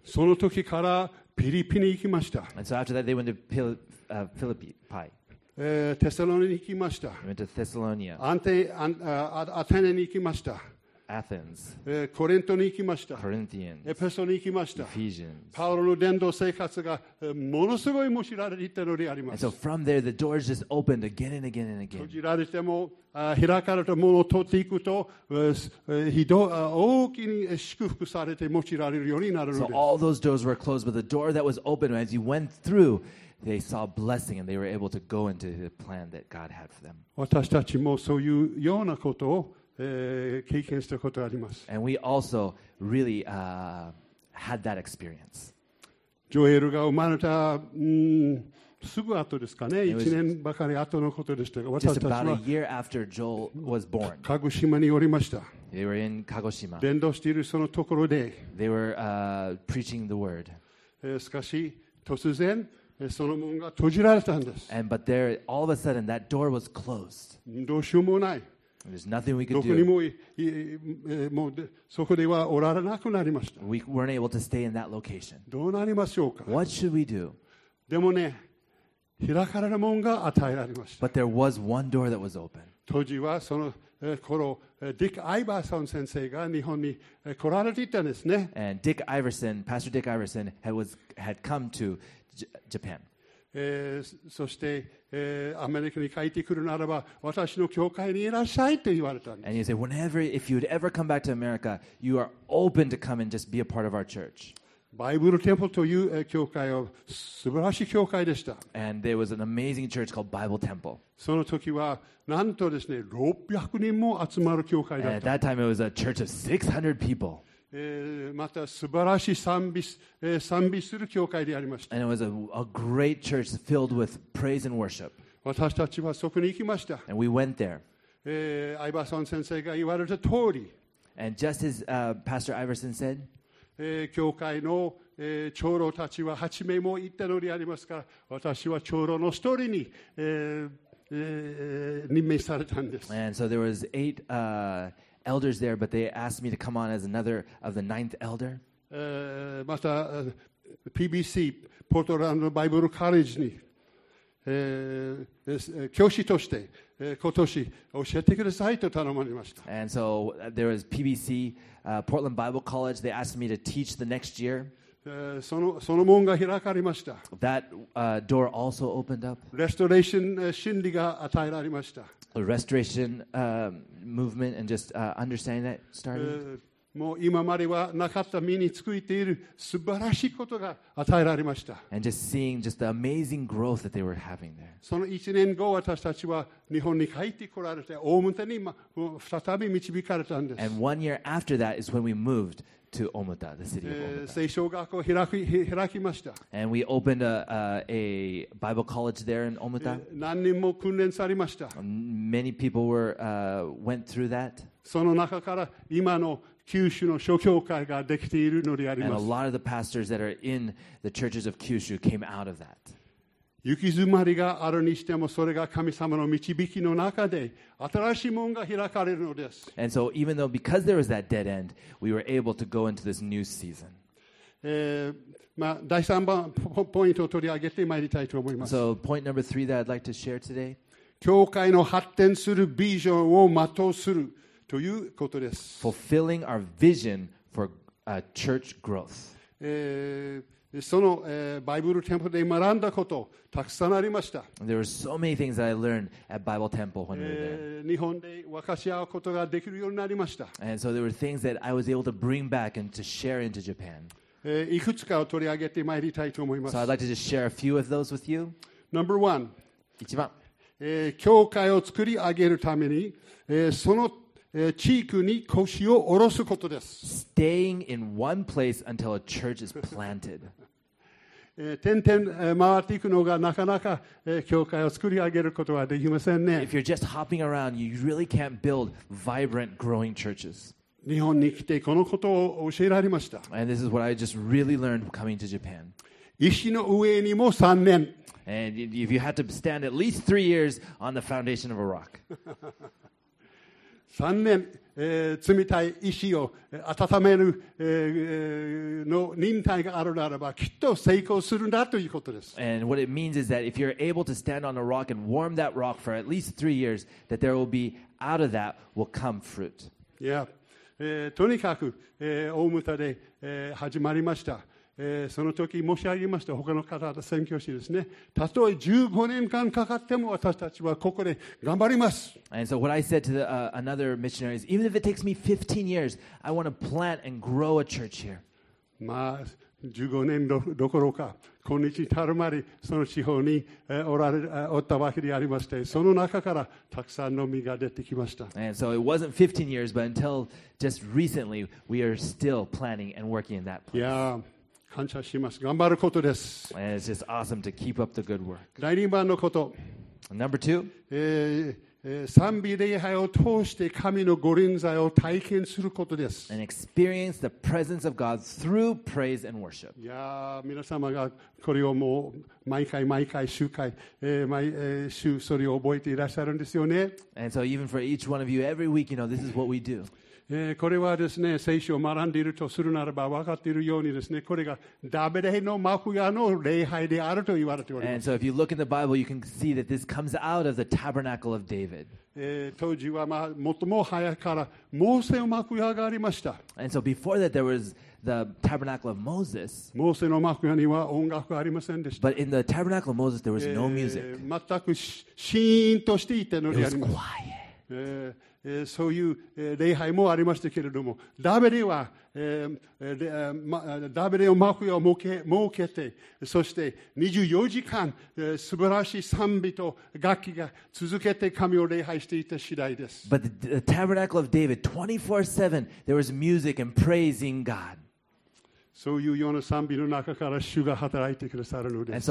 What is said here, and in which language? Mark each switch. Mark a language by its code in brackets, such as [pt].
[ja] その時からフィリピに行きました。 [en] And so after that they went to Philippi. [ja] テサロニに行きました。 [en] They went to Thessalonia. [ja] アテネに行きました。 [en] Athens. [ja] コリントに行きました。 [en] Corinthians. [ja] エペソに行きました。 [en] Ephesians. [ja] パウロの伝道生活がものすごい知られていたのであります。 [en] And so from there the doors just opened again and again and again. [ja] 閉じられても開かれたものを取っていくと大きに祝福されて用いられるようになるのです。 [en] So all those doors were closed, but the door that was open as you went through, they saw blessing and they were able to go into the plan that God had for them. [ja] 私たちもそういうようなことを経験したことがあります。 [en] And we also really had that experience. [ja] ジョエルが生まれたすぐ後ですかね、1年ばかり後のことでしたが、私たちは [en] just about a year after Joel was born. [ja] 鹿児島におりました。 [en] They were in Kagoshima. [ja] 伝道しているそのところで、 [en] they were preaching the word. [ja] しかし突然その門が閉じられたんです。 [en] And but there, all of a sudden, that door was closed. [ja] どうしようもない。 [en] There's nothing we could [ja] どこにも、もうそこではおられなくなりました。 [en] We weren't able to stay in that location. [ja] どうなりましょうか。 [en] What should we do? [ja] でもね、開かれる門が与えられました。 [en] But there was one door that was open. [ja] 当時はその頃、ディック・アイバーソン先生が日本に来られていたんですね。 [en] And Dick Iverson, Pastor Dick Iverson had come to Japan. [ja] そして、アメリカに帰ってくるならば私の教会にいらっしゃいと言われたんです。 [en] And he said, whenever, if you'd ever come back to America, you are open to come and just be a part of our church. [ja] バイブルテンプルという教会は素晴らしい教会でした。 [en] And there was an amazing church called Bible Temple. [ja] その時はなんとですね、600人も集まる教会だった。 [en] And at that time it was a church of 600 people. [ja] また素晴らしい賛美する教会でありました。 [en] And it was a great church filled with praise and worship. [ja] 私たちはそこに行きました。 [en] And we went there. [ja] アイバーソン先生が言われた通り。 [en] And just as Pastor Iverson said, [ja] 教会の長老たちは8名も行ったのでありますから、私は長老の一人に任命されたんです。 [en] And so there was eight elders there, but they asked me to come on as another of the ninth elder. [ja] また PBC ポートランドバイブルカレッジに教師として今年教えてくださいと頼まれました。 [en] And so there was PBC Portland Bible College. They asked me to teach the next year. [ja] その門が開かれました。 [en] That door also opened up. [ja] Restoration 真理が与えられました。 [en] A restoration movement and just understanding that started. [ja] もう今まではなかった身につくいている素晴らしいことが与えられました。 [en] And just seeing just the amazing growth that they were having there. [ja] その一年後私たちは日本に帰ってこられて大牟田に再び導かれたんです。 [en] And one year after that is when we moved to Omuta, the city of Omuta. [ja] 聖書学校開きました。 [en] And we opened a Bible college there in Omuta. [ja] 何人も訓練されました。 [en] Many people went through that. [ja] その中から今の九州の諸教会ができているのであります。 [en] And a lot of the pastors that are in the churches of Kyushu came out of that. [ja] 行き詰まりがあるにしてもそれが神様の導きの中で新しい門が開かれるのです。 [en] And so even though because there was that dead end, we were able to go into this new season. [ja] まあ第3番ポイントを取り上げてまいりたいと思います。 [en] So point number three that I'd like to share today. [ja] 教会の発展するビジョンを全うするということです。 [en] Fulfilling our vision for church growth. [ja] その、バイブルテンポで学んだことたくさんありました。 [en] There are so many things that I learned at Bible Temple when we were there. [ja] 日本で分かち合うことができるようになりました。 [en] And so there were things that I was able to bring back and to share into Japan. [ja] いくつかを取り上げてまいりたいと思います。 [en] So I'd like to just share a few of those with you. Number one. [ja] 一番。教会を作り上げるために、その地域に腰を下ろすことです。 [en] Staying in one place until a church is planted. [ja] 点々回っていくのがなかなか教会を作り上げることはできませんね。 [en] If you're just hopping around, you really can't build vibrant, growing churches. [ja] 日本に来てこのことを教えられました。 [en] And this is what I just really learned coming to Japan. [ja] 石の上にも3年。 [en] And if you had to stand at least 3 years on the foundation of a rock. [ja] 3年、冷たい石を温める、の忍耐があるならばきっと成功するんだということです。 [en] And what it means is that if you're able to stand on a rock and warm that rock for at least 3 years, that there will be out of that will come fruit. Yeah. [ja] とにかく、大牟田で、始まりました。その時申し上げました他の方々宣教師ですね。たとえ15年間かかっても私たちはここで頑張ります。 [en] And so what I said to another missionary is, even if it takes me 15 years, I want to plant and grow a church here. [ja] まあ15年どころか今日至るまでその地方に、おったわけでありまして、その中からたくさんの実が出てきました。 [en] And so it wasn't 15 years, but until just recently, we are still planting and working in that place. [ja] Yeah. 感謝します。頑張ることです。 [en] And it's just awesome to keep up the good work. [ja] 第2番のこと。 [en] Number two. [ja] 賛美礼拝を通して神の御臨在を体験することです。 [en] And experience the presence of God through praise and worship. [ja] いや、皆様がこれをもう毎回毎回週回、毎週それを覚えていらっしゃるんですよね。 [en] And so even for each one of you, every week, you know, this is what we do. [ja] これはですね、聖書を学んでいるとするならば分かっているようにですね、これがダビデの幕屋の礼拝であると言われております。 [en] And so if you look in the Bible, you can see that this comes out of the tabernacle of David. [ja] 当時は、まあ、最も早からモーセの幕屋がありました。 [en] And so before that, there was the tabernacle of Moses. [ja] モーセの幕屋には音楽がありませんでした。 [en] But in the tabernacle of Moses, there was no music. [ja] 全くシーンとしていたのであります。 [en] It was quiet. [ja] そういう礼拝もありましたけれども、ダビデは、ダビデの幕屋を設けて、そして24時間、素晴らしい賛美と楽器が続けて神を礼拝していた次第です。 [en] But the tabernacle of David, 24/7, there was music and praising God. [ja] そういうような賛美の中から主が働いてくださるのです。